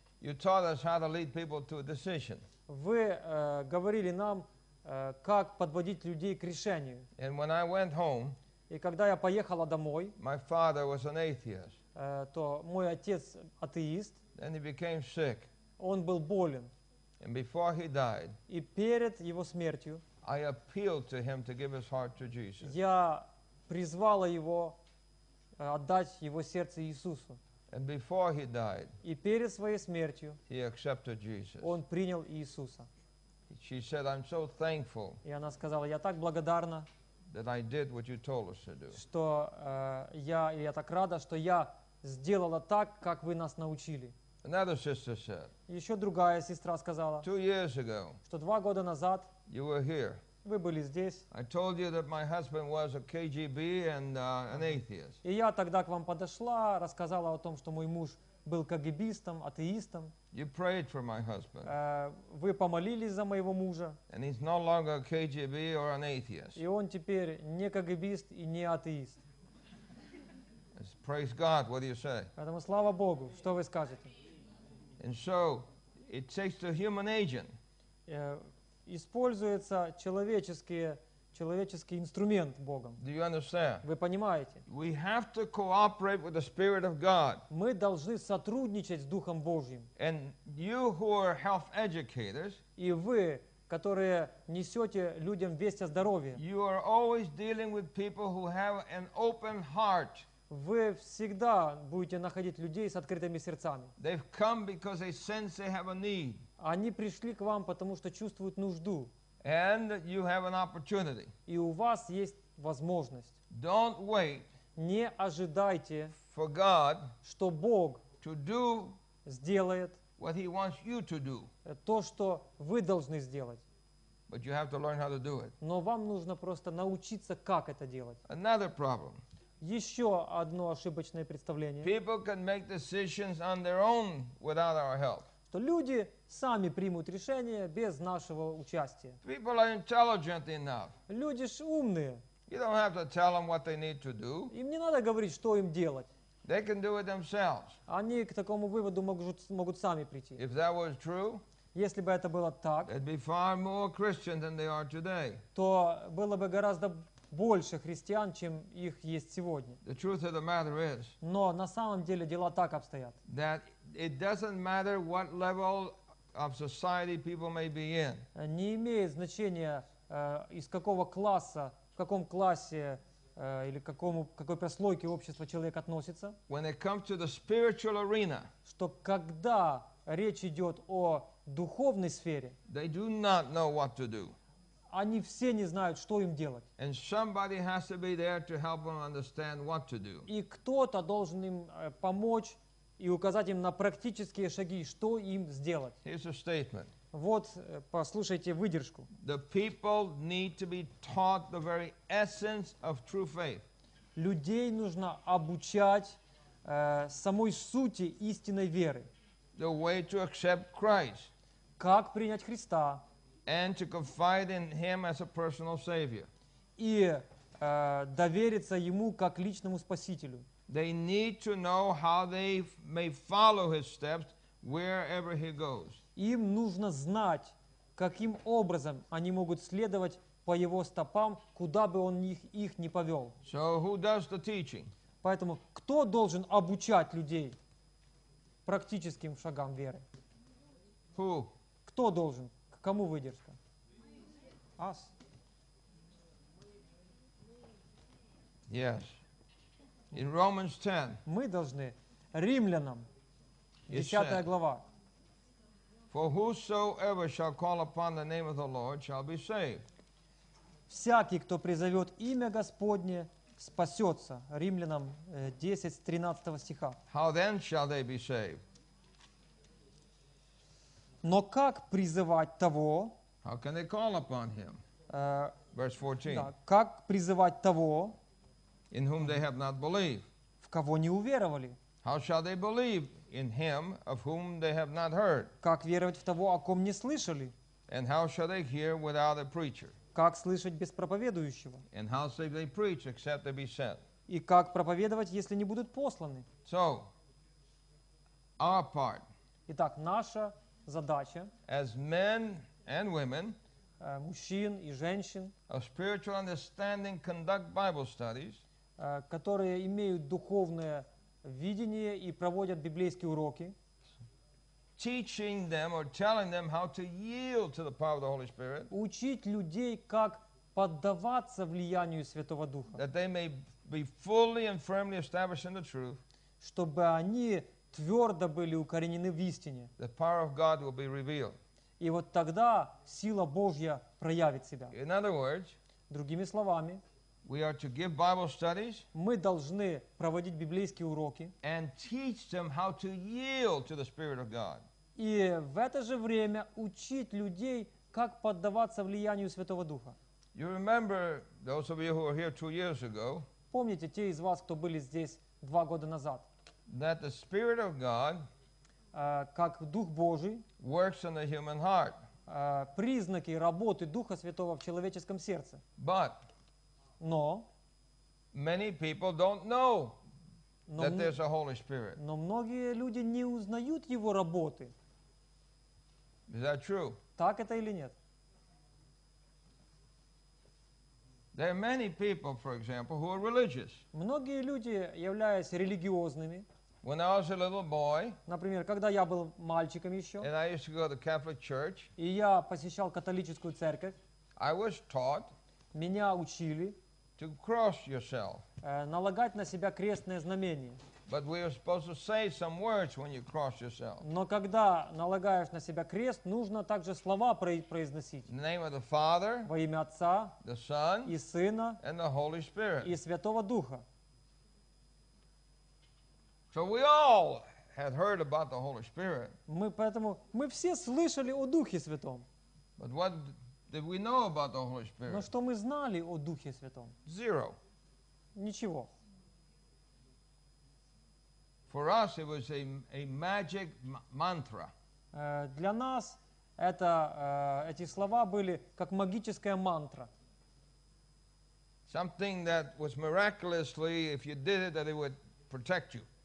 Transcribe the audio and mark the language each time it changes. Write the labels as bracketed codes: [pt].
[en] you taught us how to lead people to a decision. [ru] Вы говорили нам, как подводить людей к решению. [en] And when I went home, [ru] и когда я поехала домой, [en] my father was an atheist. [ru] То мой отец атеист. [en] And he became sick. [ru] Он был болен. [en] And before he died, [ru] и перед его смертью [en] I appealed to him to give his heart to Jesus. [ru] Я призвала его отдать его сердце Иисусу. [en] And before he died, [ru] и перед своей смертью [en] he accepted Jesus. [ru] Он принял Иисуса. [en] She said, I'm so thankful, [ru] и она сказала, я так благодарна, [en] that I did what you told us to do. [ru] Что я так рада, что я сделала так, как вы нас научили. [en] Another sister said. [ru] Еще другая сестра сказала. [en] 2 years ago. [ru] Что два года назад. [en] You were here. [ru] Вы были здесь. [en] I told you that my husband was a KGB and an atheist. [ru] И я тогда к вам подошла, рассказала о том, что мой муж был кагибистом, атеистом. [en] You prayed for my husband. [ru] Вы помолились за моего мужа. [en] And he's no longer a KGB or an atheist. [ru] И он теперь не кагибист и не атеист. [en] Praise God, what do you say? [ru] Поэтому слава Богу, что вы скажете? [en] And so, it takes a human agent. [ru] Используется человеческий инструмент Богом. [en] Do you understand? [ru] Вы понимаете? [en] We have to cooperate with the Spirit of God. [ru] Мы должны сотрудничать с Духом Божьим. [en] And you who are health educators, [ru] и вы, которые несете людям весть о здоровье, [en] you are always dealing with people who have an open heart. [ru] Вы всегда будете находить людей с открытыми сердцами. [en] They've come because they sense they have a need. [ru] Они пришли к вам, потому что чувствуют нужду. [en] And you have an opportunity. [ru] И у вас есть возможность. [en] Don't wait. [ru] Не ожидайте, [en] for God, [ru] что Бог [en] to do [ru] сделает [en] what he wants you to do. [ru] То, что вы должны сделать. [en] But you have to learn how to do it. [ru] Но вам нужно просто научиться, как это делать. [en] Another problem. [ru] еще одно ошибочное представление. [en] People can make decisions on their own without our help. [ru] Что люди сами примут решение без нашего участия. [en] People are intelligent enough. [ru] Люди ж умные. [en] You don't have to tell them what they need to do. [ru] Им не надо говорить, что им делать. [en] They can do it themselves. [ru] Они к такому выводу могут сами прийти. [en] If that was true, [ru] если бы это было так, [en] there'd be far more Christians than they are today. [ru] То было бы гораздо больше христиан, чем их есть сегодня. [en] The truth of the matter is, [ru] но на самом деле дела так обстоят, [en] that it doesn't matter what level of society people may be in. [ru] Не имеет значения, из какого класса, в каком классе или какой прослойке общества человек относится. [en] When it comes to the spiritual arena, [ru] что когда речь идет о духовной сфере, [en] they do not know what to do. [ru] Они все не знают, что им делать. [en] And somebody has to be there to help them understand what to do. [ru] И кто-то должен им помочь и указать им на практические шаги, что им сделать. [en] Here's a statement. [ru] Вот, послушайте выдержку. [en] The people need to be taught the very essence of true faith. [ru] Людей нужно обучать самой сути истинной веры. [en] The way to accept Christ. [ru] Как принять Христа. [en] And to confide in Him as a personal Savior. [ru] И довериться Ему как личному спасителю. [en] They need to know how they may follow His steps wherever He goes. [ru] Им нужно знать, каким образом они могут следовать по Его стопам, куда бы Он их ни повел. [en] So who does the teaching? [ru] Поэтому кто должен обучать людей практическим шагам веры? [en] Who? [ru] Кто должен? Кому выдержка? [en] Us. Yes. In Romans 10. [ru] Мы должны. Римлянам. 10 глава. [en] For whosoever shall call upon the name of the Lord shall be saved. [ru] Всякий, кто призовет имя Господне, спасется. Римлянам 10, 13 стиха. [en] How then shall they be saved? [ru] Но как призывать того? [en] How can they call upon him? Verse 14. [ru] Да, как призывать того? [en] In whom they have not believed. [ru] В кого не уверовали? [en] How shall they believe in him of whom they have not heard? [ru] Как веровать в того, о ком не слышали? [en] And how shall they hear without a preacher? [ru] Как слышать без проповедующего? [en] And how shall they preach except they be sent? [ru] И как проповедовать, если не будут посланы? [en] So, our part. [ru] Итак, наша задача, [en] as men and women, [ru] мужчин и женщин, [en] of spiritual understanding conduct Bible studies, [ru] которые имеют духовное видение и проводят библейские уроки, [en] teaching them or telling them how to yield to the power of the Holy Spirit, [ru] учить людей, как поддаваться влиянию Святого Духа, [en] that they may be fully and firmly established in the truth, [ru] чтобы они твердо были укоренены в истине. [en] The power of God will be revealed. [ru] И вот тогда сила Божья проявит себя. [en] In other words, [ru] другими словами, [en] we are to give Bible studies, [ru] мы должны проводить библейские уроки, [en] and teach them how to yield to the Spirit of God. [ru] И в это же время учить людей, как поддаваться влиянию Святого Духа. [en] You remember, those of you who were here 2 years ago, [ru] помните те из вас, кто были здесь 2 года назад, [en] that the Spirit of God [ru] как Дух Божий [en] works in the human heart. [ru] Признаки работы Духа Святого в человеческом сердце. [en] But [ru] но [en] many people don't know that there's a Holy Spirit. [ru] Но многие люди не узнают Его работы. [en] Is that true? [ru] Так это или нет? [en] There are many people, for example, who are religious. [ru] Многие люди, являясь религиозными, [en] when I was a little boy, [ru] например, когда я был мальчиком еще, [en] and I used to go to the Catholic Church, [ru] и я посещал католическую церковь, [en] I was taught, [ru] меня учили, [en] to cross yourself, [ru] налагать на себя крестное знамение. [en] But we are supposed to say some words when you cross yourself. [ru] Но когда налагаешь на себя крест, нужно также слова произносить. [en] In the name of the Father, [ru] во имя Отца, [en] the Son, [ru] и Сына, [en] and the Holy Spirit, [ru] и Святого Духа. [en] So we all had heard about the Holy Spirit. [ru] Мы все слышали о Духе Святом. [en] But what did we know about the Holy Spirit? [ru] Но что мы знали о Духе Святом? [en] Zero. [ru] Ничего. [en] For us it was a magic mantra. [ru] Для нас это эти слова были как магическая мантра. [en] Something that was miraculously, if you did it, that it would protect you.